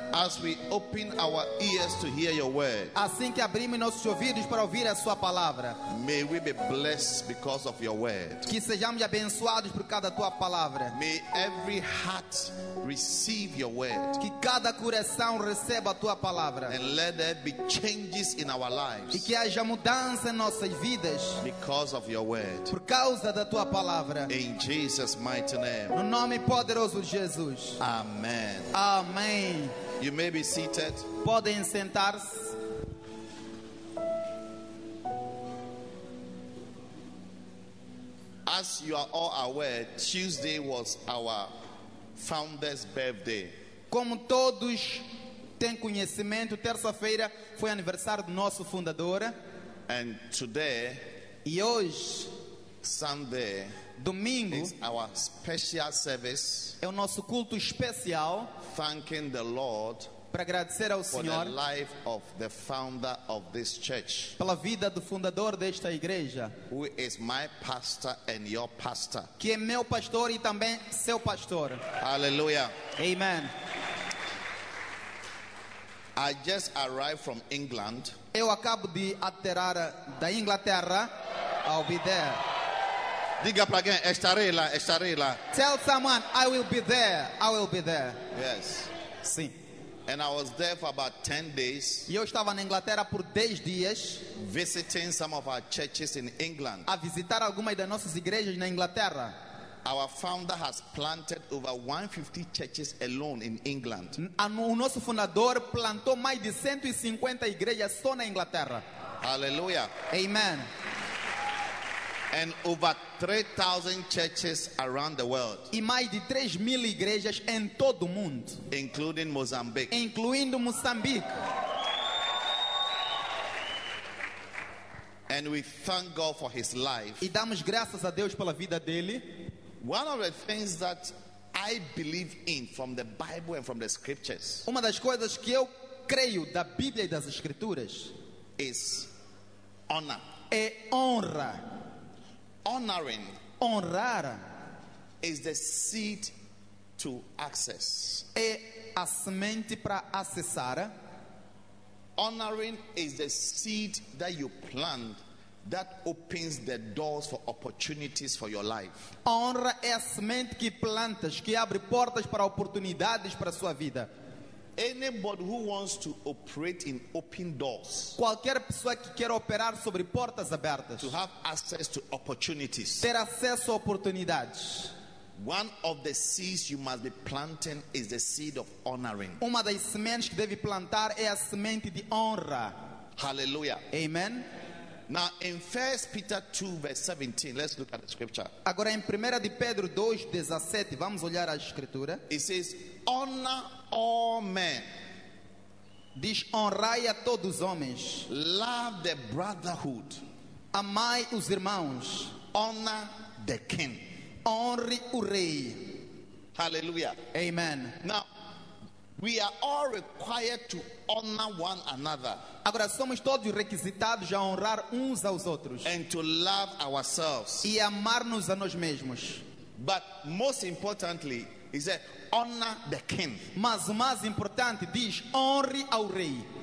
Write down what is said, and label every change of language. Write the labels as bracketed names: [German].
[English] As we open our ears to hear your word. [Portuguese] Assim que abrimos nossos ouvidos para ouvir a sua palavra. [English] May we be blessed because of your word. [Portuguese] Que sejamos abençoados por causa da tua palavra. [English] May every heart receive your word. [Portuguese] Que cada coração receba a tua palavra. [English] And let there be changes in our lives. [Portuguese] E que haja mudança em nossas vidas. [English] Because of your word. [Portuguese] Por causa da tua palavra. [English] In Jesus' mighty name. [Portuguese] No nome poderoso de Jesus. [English] Amen. [Portuguese] Amém. [English] You may be seated. [Portuguese] Podem sentar-se. [English] As you are all aware, Tuesday was our founder's birthday. [Portuguese] Como todos têm conhecimento, terça-feira foi aniversário do nosso fundador. [English] And today, [Portuguese] e hoje, [English] Sunday, [Portuguese] domingo, [English] is our special service. [Portuguese] É o nosso culto especial. [English] Thanking the Lord [Portuguese] para agradecer ao Senhor [English] for the life of the founder of this church. [Portuguese] Pela vida do fundador desta igreja. [English] Who is my pastor and your pastor? [Portuguese] Que é meu pastor e também seu pastor. [English] Hallelujah. Amen. I just arrived from England. [Portuguese] Eu acabo de aterrar da Inglaterra. [English] I'll be there. [Portuguese] Diga para alguém, estarei lá, estarei lá. [English] Tell someone, I will be there, I will be there. Yes. [Portuguese] Sim. [English] And I was there for about 10 days. [Portuguese] E eu estava na Inglaterra por 10 dias. [English] Visiting some of our churches in England. [Portuguese] A visitar algumas das nossas igrejas na Inglaterra. [English] Our founder has planted over 150 churches alone in England. [Portuguese] O nosso fundador plantou mais de 150 igrejas só na Inglaterra. [English] Hallelujah. Amen. And over 3,000 churches around the world. [Portuguese] E mais de 3,000 igrejas em todo o mundo. [English] Including Mozambique. [Portuguese] Incluindo Moçambique. [English] And we thank God for his life. [Portuguese] E damos graças a Deus pela vida dele. [English] One of the things that I believe in from the Bible and from the scriptures. [Portuguese] Uma das coisas que eu creio da Bíblia e das Escrituras. [English] Is honor. [Portuguese] É honra. [English] Honoring, [Portuguese] honrar, [English] is the seed to access. [Portuguese] É a semente para acessar. [English] Honoring is the seed that you plant that opens the doors for opportunities for your life. [Portuguese] Honra é a semente que plantas que abre portas para oportunidades para sua vida. [English] Anybody who wants to operate in open doors. [Portuguese] Qualquer pessoa que quer operar sobre portas abertas. [English] To have access to opportunities. [Portuguese] Ter acesso a oportunidades. [English] One of the seeds you must be planting is the seed of honoring. [Portuguese] Uma das sementes que deve plantar é a semente de honra. [English] Hallelujah. Amen. Now in 1 Peter 2 verse 17, let's look at the scripture. [Portuguese] Agora em 1 de Pedro 2, 17, vamos olhar a escritura. [English] It says, honor all men. [Portuguese] Diz, honrai a todos os homens. [English] Love the brotherhood. [Portuguese] Amai os irmãos. [English] Honor the king. [Portuguese] Honre o rei. [English] Hallelujah. Amen. Now, we are all required to honor one another. [Portuguese] Agora somos todos requisitados a honrar uns aos outros. [English] And to love ourselves. [Portuguese] E amar-nos a nós mesmos. [English] But most importantly, he said, honor the king. [Portuguese] Mas o mais importante diz, honre ao rei.